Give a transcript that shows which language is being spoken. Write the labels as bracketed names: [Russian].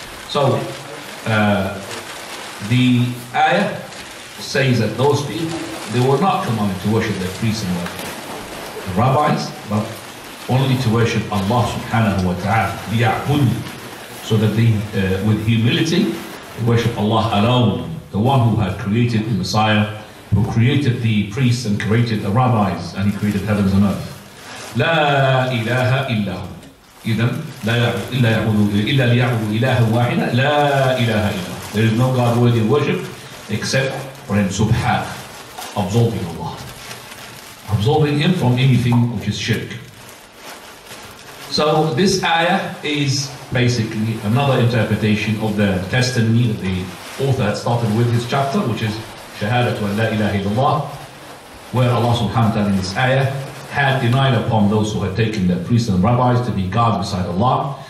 [English] So, the ayah says that those people, they were not commanded to worship their priests and their rabbis, but only to worship Allah subhanahu wa ta'ala, liya'budu. So that they, with humility, worship Allah alone, the one who had created the Messiah, who created the priests and created the rabbis, and he created heavens and earth. [Arabic] لا إله إلا هو. إذن لا يعبد إلا ليعبد إله واحد. لا إله إلا. [English] There is no God worthy of worship except for Him. Subhan, absolving Allah, absolving Him from anything which is shirk. So this ayah is basically another interpretation of the testimony that the author had started with his chapter, which is Shahadatu an la ilaha illallah, where Allah subhanahu wa ta'ala in this ayah had denied upon those who had taken their priests and rabbis to be gods beside Allah.